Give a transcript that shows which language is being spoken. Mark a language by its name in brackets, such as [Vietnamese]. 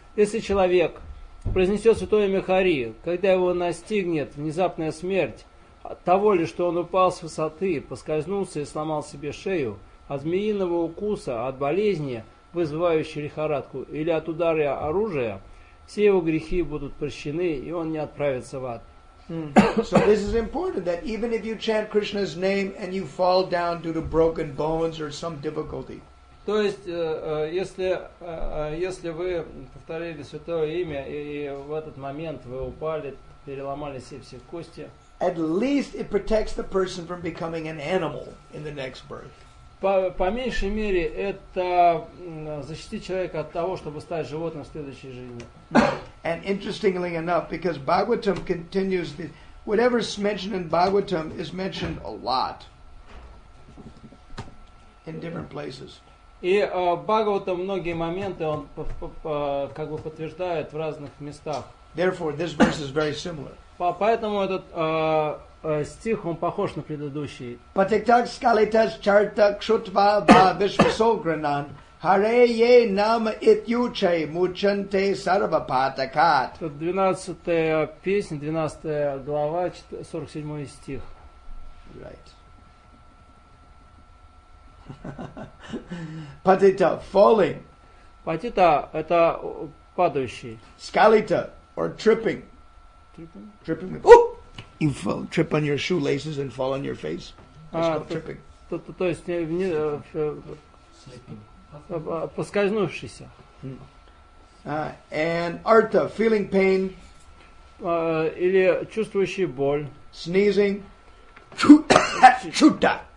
[Russian] Если человек произнесет святое имя Хари, когда его настигнет внезапная смерть, от того ли, что он упал с высоты, поскользнулся и сломал себе шею, от змеиного укуса, от болезни, вызывающей лихорадку, или от удара оружия, все его грехи будут прощены, и он не отправится в ад. [English] So this is important, that even if you chant Krishna's name and you fall down due to broken bones or some difficulty. [Russian] То есть, если вы повторили святое имя, и в этот момент вы упали, переломали себе все кости, [English] at least it protects the person from becoming an animal in the next birth. [Russian] По меньшей мере, это защитит человека от того, чтобы стать животным в следующей жизни. [English] And interestingly enough, because Bhagavatam continues, whatever is mentioned in Bhagavatam is mentioned a lot in different places. [Russian] И Бхагаватам многие моменты он как бы подтверждает в разных местах. [English] Therefore, this verse is very similar. [Russian] Поэтому этот стих он похож на предыдущий. [Sanskrit] Патиктак скалитас чартак шутва ба вишвасогранан харе е нам итьюче мученте сарвапатакат. [Russian] Это 12-я песня, 12-я глава, 47-й стих. [English] Right. Patita, falling. [Russian] Patita, это падающий. [English] Skalita, or tripping. Tripping? Tripping. You fall, trip on your shoelaces and fall on your face. That's called tripping. [Russian] То есть, поскользнувшийся. [English] And artha, feeling pain. [Russian] Или чувствующий боль. [English] Sneezing. Chuta.